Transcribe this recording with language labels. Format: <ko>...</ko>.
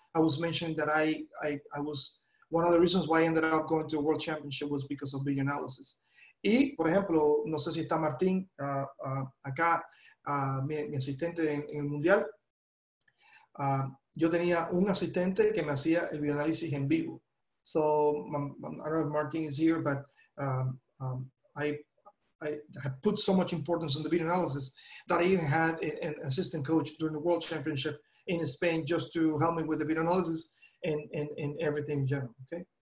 <en>I was mentioning that I was one of the reasons why I ended up going to a world championship was because of video analysis.</en> <es>Y, por ejemplo, no sé si está Martín acá, mi asistente en el Mundial. Yo tenía un asistente que me hacía el video análisis en vivo.</es> <en>So, I don't know if Martín is here, but I put so much importance on the video analysis that I even had an assistant coach during the world championship in Spain just to help me with the video analysis and everything in general, okay?</en>